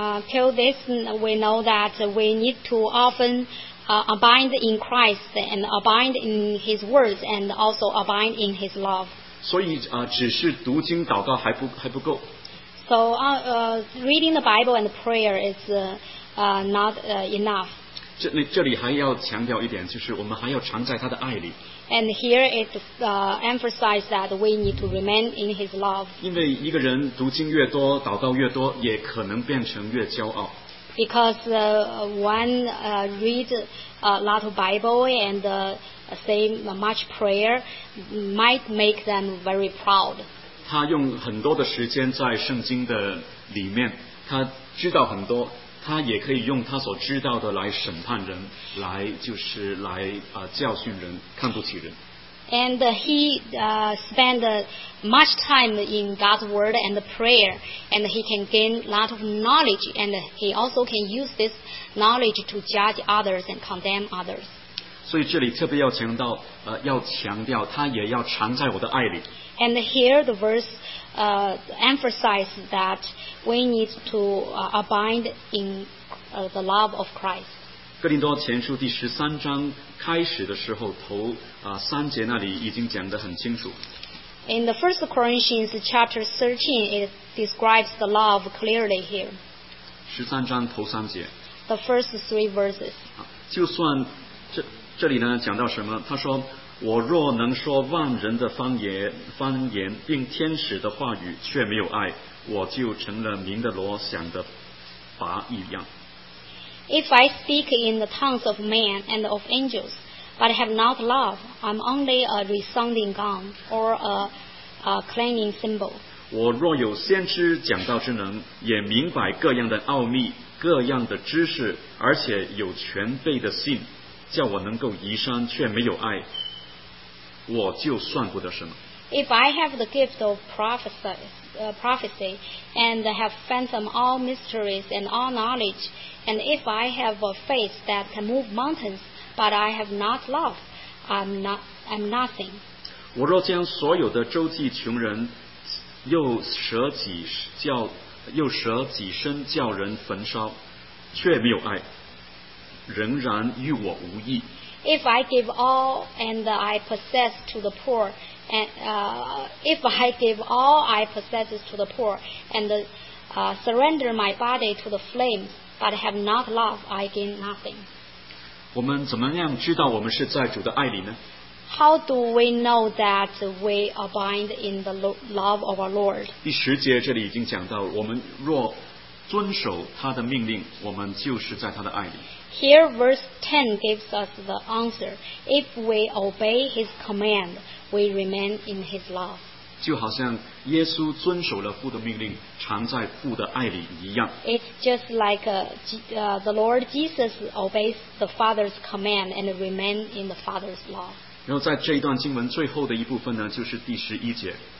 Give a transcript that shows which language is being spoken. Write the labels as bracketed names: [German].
[English] Till this, we know that we need to often abide in Christ and abide in His words and also abide in His love. [Chinese] 所以只是读经祷告还不够。 [English] So reading the Bible and prayer is. Not enough. [Chinese] 这里还要强调一点，就是我们还要常在他的爱里。 [English] And here it emphasizes that we need to remain in his love. [Chinese] 因为一个人读经越多，祷告越多，也可能变成越骄傲。 [English] Because one read a lot of Bible and say much prayer might make them very proud. [Chinese] 他用很多的时间在圣经的里面，他知道很多。他也可以用他所知道的来审判人，来就是来教训人，看不起人。 [English] And he spend much time in God's word and prayer, and he can gain lot of knowledge, and he also can use this knowledge to judge others and condemn others. [Chinese] 所以这里特别要强调，他也要常在我的爱里。 [English] And here the verse emphasizes that we need to abide in the love of Christ. [Chinese] 哥林多前书第十三章开始的时候，三节那里已经讲得很清楚。 [English] In the First Corinthians chapter 13, it describes the love clearly here. [Chinese] 十三章头三节。 [English] The first three verses. [Chinese] 就算 这里呢讲到什么，他说我若能说万人的方言并天使的话语却没有爱，我就成了鸣的锣响的拔一样。 [English] If I speak in the tongues of men and of angels but have not love, I'm only a resounding gong or a clanging cymbal. [Chinese] 我若有先知讲道之能，也明白各样的奥秘各样的知识，而且有全备的信，叫我能够移山却没有爱，我就算不得什么。 [English] If I have the gift of prophecy and have fathomed all mysteries and all knowledge, and if I have a faith that can move mountains but I have not love, I'm nothing. [Chinese] 我若将所有的周济穷人，又舍己身叫人焚烧，却没有爱，仍然与我无异。 [English] If I give all and I possess to the poor, and if I give all I possess to the poor and surrender my body to the flames, but have not love, I gain nothing. [Chinese] 我们怎么样知道我们是在主的爱里呢？ [English] How do we know that we abide in the love of our Lord? [Chinese] 第十节这里已经讲到，我们若遵守他的命令，我们就是在他的爱里。 [English] Here verse 10 gives us the answer. If we obey his command, we remain in his love. [Chinese] 就好像耶稣遵守了父的命令，常在父的爱里一样。 [English] It's just like the Lord Jesus obeys the Father's command and remain in the Father's love. [Chinese] 然后在这一段经文最后的一部分呢，就是第十一节。